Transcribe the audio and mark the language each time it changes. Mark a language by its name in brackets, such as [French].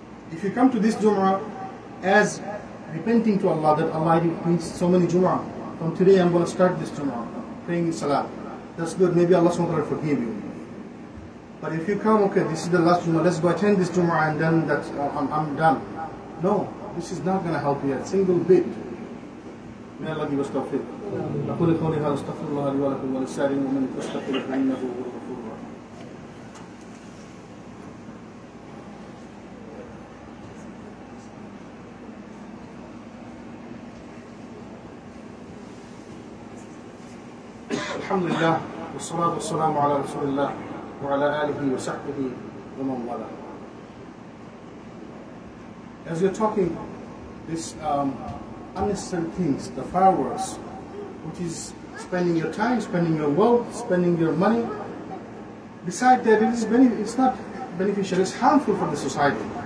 [English] If you come to this jumuah as repenting to Allah, that Allah brings so many jumuah, from today I'm going to start this jumuah, praying in salah. That's good, maybe Allah subhanahu wa ta'ala forgive you. But if you come, okay, this is the last jumuah, let's go attend this jumuah and then I'm done. No, this is not going to help you a single bit. May Allah give us tawfiq. [Arabic] أقول قولي هذا استغفر الله لي ولكم ولسائر المؤمنين فاستغفروه إنه هو الغفور الرحيم. الحمد لله والصلاة والسلام على رسول الله وعلى آله وصحبه ومن والاه. [English] As you're talking, this unnecessary things, the fireworks, which is spending your time, spending your wealth, spending your money, besides that, it's not beneficial, it's harmful for the society.